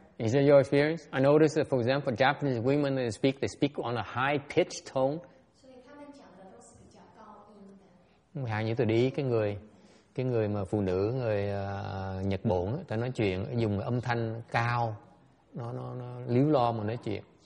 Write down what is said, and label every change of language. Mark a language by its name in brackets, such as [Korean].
[English] Is that your experience? I noticed that, for example, Japanese women, they speak on a high-pitched tone. [Chinese] 所以她们讲的都是比较高音的。 [Vietnamese] Hàng như tôi đi, cái người mà phụ nữ, người Nhật Bổn, ta nói chuyện dùng âm thanh cao, nó líu lo mà nói chuyện.